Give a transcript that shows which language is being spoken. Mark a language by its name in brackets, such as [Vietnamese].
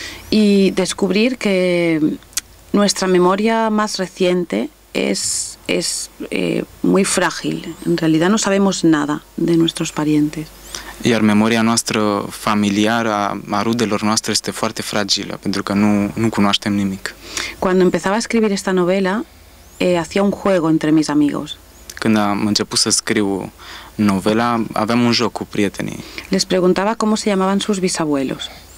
[Spanish] Y descubrir que nuestra memoria más reciente es muy frágil. En realidad no sabemos nada de nuestros parientes. [Romanian] Iar memoria noastră familiară a rudelor noastre este foarte fragilă, pentru că nu cunoaștem nimic. [Spanish] Cuando empezaba a escribir esta novela, hacía un juego entre mis amigos. [Romanian] Când am început să scriu novela, aveam un joc cu prietenii. [Spanish] Les preguntaba cómo se llamaban sus bisabuelos.